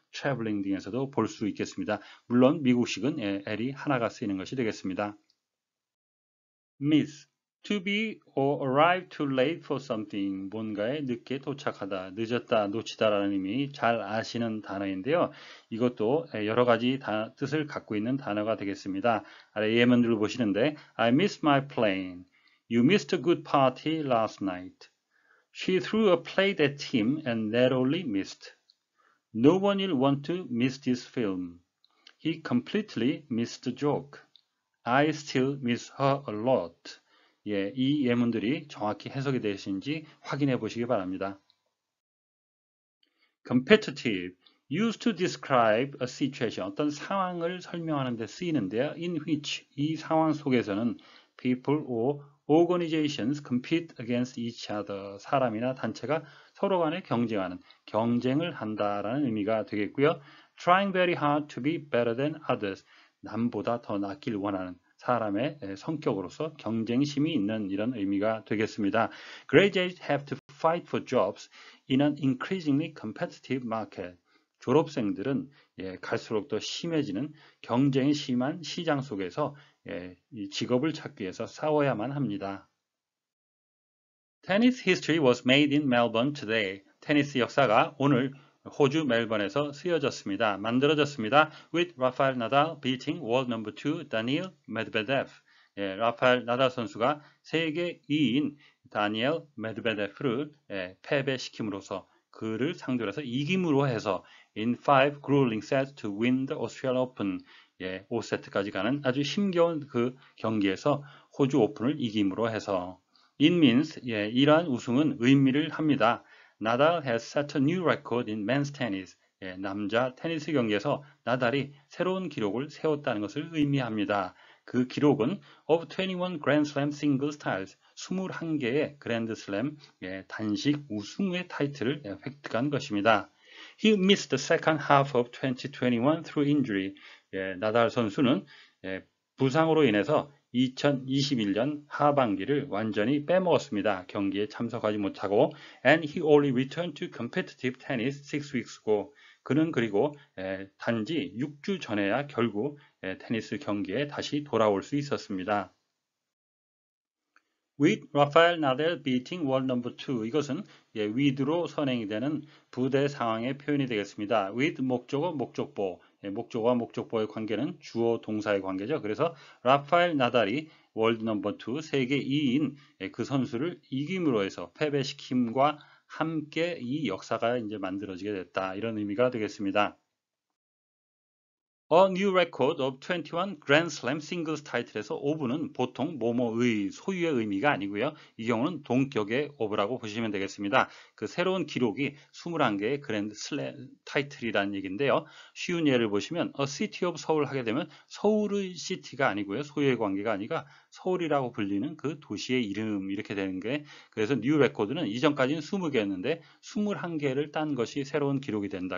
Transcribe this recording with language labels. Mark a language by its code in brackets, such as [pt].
[ko] traveling 등에서도 볼 수 있겠습니다. 물론 미국식은 L이 하나가 쓰이는 것이 되겠습니다. [en] Miss, to be or arrive too late for something, [ko] 뭔가에 늦게 도착하다, 늦었다, 놓치다라는 의미 잘 아시는 단어인데요. 이것도 여러 가지 뜻을 갖고 있는 단어가 되겠습니다. 아래 예문들을 보시는데, [en] I missed my plane. You missed a good party last night. She threw a plate at him and narrowly missed. No one will want to miss this film. He completely missed the joke. I still miss her a lot. [ko] 예, 이 예문들이 정확히 해석이 되신지 확인해 보시기 바랍니다. [en] Competitive, used to describe a situation, [ko] 어떤 상황을 설명하는 데 쓰이는데요. [en] In which, [ko] 이 상황 속에서는 [en] people or organizations compete against each other, [ko] 사람이나 단체가 서로 간에 경쟁하는, 경쟁을 한다라는 의미가 되겠고요. [en] Trying very hard to be better than others, [ko] 남보다 더 낫길 원하는 사람의 성격으로서 경쟁심이 있는 이런 의미가 되겠습니다. [en] Graduates have to fight for jobs in an increasingly competitive market. [ko] 졸업생들은 갈수록 더 심해지는 경쟁이 심한 시장 속에서 직업을 찾기 위해서 싸워야만 합니다. [en] Tennis history was made in Melbourne today. [ko] 테니스 역사가 오늘 호주 멜번에서 쓰여졌습니다. 만들어졌습니다. [en] With Rafael Nadal beating world number 2 Daniil Medvedev. [ko] 예, 라파엘 나달 선수가 세계 2위인 다니엘 메드베데프를 패배시킴으로써 그를 상대로 해서 이김으로 해서 [en] in 5 grueling sets to win the Australian Open. [ko] 예, 5세트까지 가는 아주 힘겨운 그 경기에서 호주 오픈을 이김으로 해서 [en] It means [ko] 예, 이러한 우승은 의미를 합니다. [en] Nadal has set a new record in men's tennis. [ko] 예, 남자 테니스 경기에서 나달이 새로운 기록을 세웠다는 것을 의미합니다. 그 기록은 [en] of 21 Grand Slam singles titles, [ko] 21개의 그랜드 슬램 단식 우승의 타이틀을 획득한 것입니다. [en] He missed the second half of 2021 through injury. [ko] 예, 나달 선수는 부상으로 인해서 2021년 하반기를 완전히 빼먹었습니다. 경기에 참석하지 못하고 [en] and he only returned to competitive tennis 6 weeks ago. [ko] 그는 그리고 단지 6주 전에야 결국 테니스 경기에 다시 돌아올 수 있었습니다. [en] With Rafael Nadal beating world number 2. [ko] 이것은 with로 선행이 되는 부대 상황의 표현이 되겠습니다. With 목적어 목적보 목적어와 목적보의 관계는 주어 동사의 관계죠. 그래서 라파엘 나달이 월드 넘버 2 세계 2위인 그 선수를 이김으로 해서 패배시킴과 함께 이 역사가 이제 만들어지게 됐다. 이런 의미가 되겠습니다. [en] A new record of 21 Grand Slam singles title [ko] 에서 of는 보통 뭐뭐의 소유의 의미가 아니고요. 이 경우는 동격의 of라고 보시면 되겠습니다. 그 새로운 기록이 21개의 그랜드 슬램 타이틀이라는 얘기인데요. 쉬운 예를 보시면 a city of 서울 하게 되면 서울의 city가 아니고요. 소유의 관계가 아니라 서울이라고 불리는 그 도시의 이름 이렇게 되는 게 그래서 new record는 이전까지는 20개였는데 21개를 딴 것이 새로운 기록이 된다.